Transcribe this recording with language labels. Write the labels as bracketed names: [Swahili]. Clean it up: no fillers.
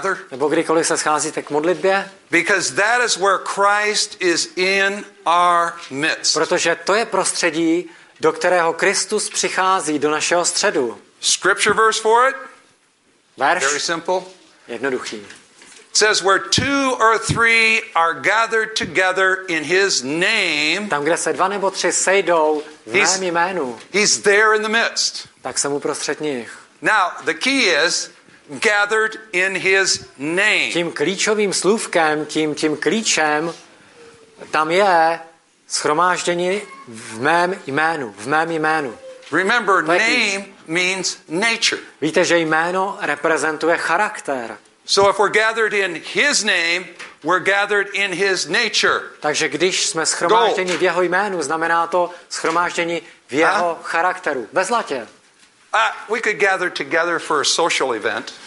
[Czech] Nebo kdykoliv se scházíte k modlitbě? [English] Because that is where Christ is in our midst. [Czech] Protože to je prostředí, do kterého Kristus přichází do našeho středu. [English] Scripture verse for it? [Czech] Verš. [English] Very simple. [Czech] Jednoduchý. [English] Says where two or three are gathered together in his name. [Czech] Tam, kde se dva nebo tři sejdou v mém jménu. [English] He's there in the midst. [Czech] Tak jsem uprostřed nich. [English] Now, the key is gathered in his name. [Czech] Tím klíčovým slůvkem, tím klíčem, tam je shromáždění v mém jménu. [English] Remember, name means nature. [Czech] Víte, že jméno reprezentuje charakter. [English] So if we're gathered in his name, we're gathered in his nature. [Czech] Takže když jsme shromážděni v jeho jménu, znamená to shromáždění v jeho charakteru, ve zlatě. [English] We could gather together for a social event.